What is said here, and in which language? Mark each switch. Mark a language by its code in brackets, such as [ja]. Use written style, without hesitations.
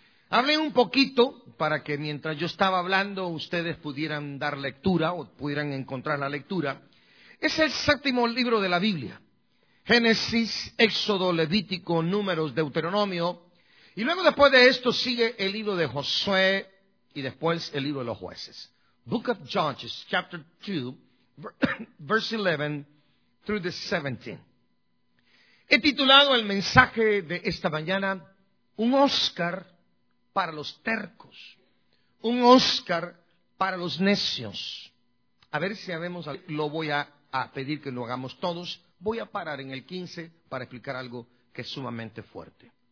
[es] Hablé un poquito para que mientras yo estaba hablando ustedes pudieran dar lectura o pudieran encontrar la lectura. Es el séptimo libro de la Biblia. Génesis, Éxodo, Levítico, Números, Deuteronomio. Y luego después de esto sigue el libro de Josué y después el libro de los jueces. [en] Book of Judges, chapter 2, verse 11 through the 17. [es] He titulado el mensaje de esta mañana, un Oscar para los tercos, un Oscar para los necios. A ver si habemos, lo voy a pedir que lo hagamos todos. Voy a parar en el 15 para explicar algo que es sumamente fuerte.